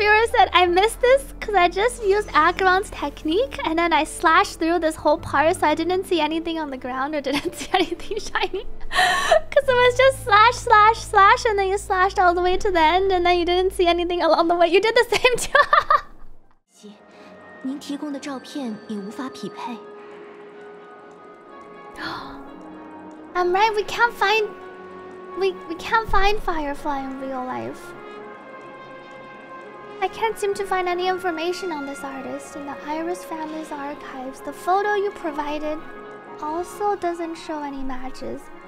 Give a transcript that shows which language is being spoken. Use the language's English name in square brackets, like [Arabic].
[English] said, I missed this because I just used Acheron's technique and then I slashed through this whole part so I didn't see anything on the ground or didn't see anything shiny. Because it was just slash, slash, slash, and then you slashed all the way to the end and then you didn't see anything along the way. You did the same too. [Chinese] 您提供的照片也无法匹配. [English] I'm right, we can't find Firefly in real life. I can't seem to find any information on this artist in the Iris family's archives. The photo you provided also doesn't show any matches.